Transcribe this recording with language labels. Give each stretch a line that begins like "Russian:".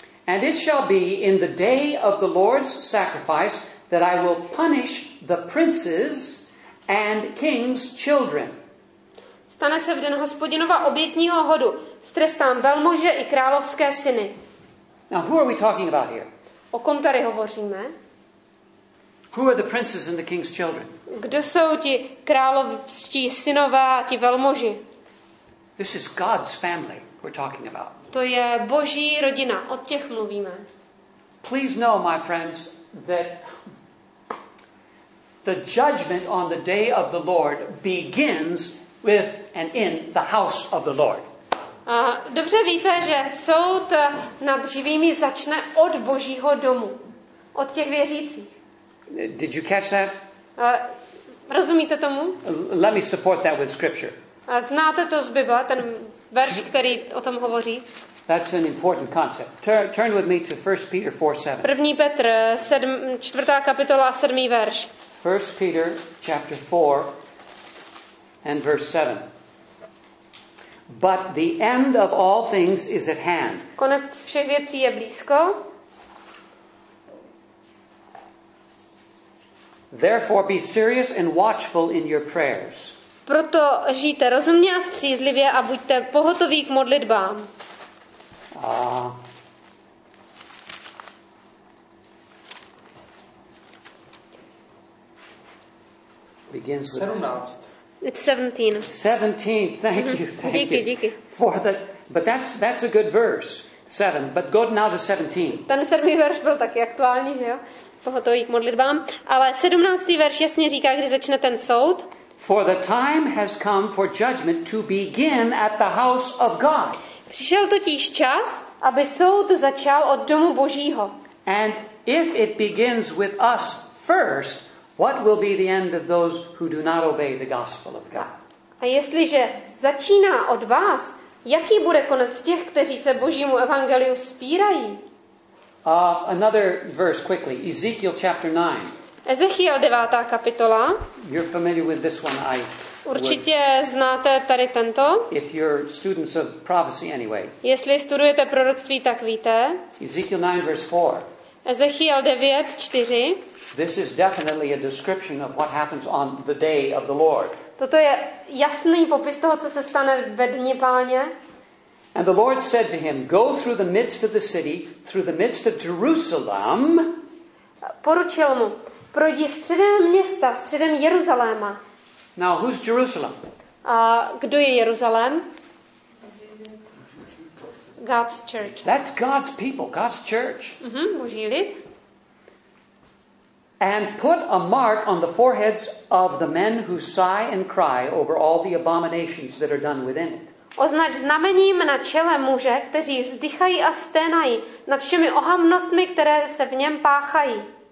English: And it shall be in the day of the Lord's sacrifice that I will punish the princes and kings' children.
Czech: Stane se v den Hospodinova obětního hodu. Strestám velmože i královské syny.
English: Now who are we talking about here?
Czech: O kom tady hovoříme?
English: Who are the princes and the king's children?
Czech: Kdo jsou ti královští synové a ti velmoži?
English: This is God's family we're talking about.
Czech: To je Boží rodina, o těch mluvíme.
English: Please know, my friends, that the judgment on the day of the Lord begins with and in the house of the Lord.
Czech: A dobře víte, že soud nad živými začne od Božího domu, od těch věřících.
English: Did you catch that?
Czech: Rozumíte tomu?
English: Let me support that with scripture.
Czech: Znáte to z Bible, ten verš, který o tom hovoří?
English: That's an important concept. Turn with me to 1 Peter 4:7.
Czech: 1. Petr, 4. kapitola, 7. verš.
English: 1 Peter chapter 4 and verse 7. But the end of all things is at hand.
Czech: Konec všech věcí je blízko.
English: Therefore be serious and watchful in your prayers.
Czech: Proto žijte rozumně a střízlivě a buďte pohotoví k modlitbám.
English: Begins with 17. It's 17. 17. Thank you. Thank
Czech: díky,
English: you.
Czech: Díky.
English: For the but that's a good verse. 7. But go now to 17.
Czech: Ten 7. verš byl taky aktuální, že jo? Pohotoví k modlitbám, ale 17. verš jasně říká, kdy začne ten soud.
English: For the time has come for judgment to begin at the house of God.
Czech: Přišel totiž čas, aby soud začal od domu Božího.
English: And if it begins with us first, what will be the end of those who do not obey the gospel of God?
Czech: A jestliže začíná od vás, jaký bude konec těch, kteří se Božímu evangeliu spírají?
English: Another verse quickly, Ezekiel chapter 9.
Czech: Ezechiel 9. kapitola.
English: You're familiar with this one, I
Czech: určitě znáte tady tento.
English: If you're students of prophecy anyway.
Czech: Jestli studujete proroctví, tak víte.
English: Ezekiel 9 verse 4.
Czech: Ezechiel 9:4.
English: This is definitely a description of what happens on the day of the Lord.
Czech: Toto je jasný popis toho, co se stane ve dni Páně.
English: And the Lord said to him, go through the midst of the city, through the midst of Jerusalem.
Czech: Poručil mu, projdi středem města, středem Jeruzaléma.
English: Now, who's Jerusalem?
Czech: Kdo je Jeruzalém?
English: God's church. That's God's people, God's church.
Czech: Boží lid.
English: And put a mark on the foreheads of the men who sigh and cry over all the abominations that are done within it.
Czech: Označ znamením na čele muže, kteří vzdychají a sténají nad všemi ohavnostmi, které se v něm páchají.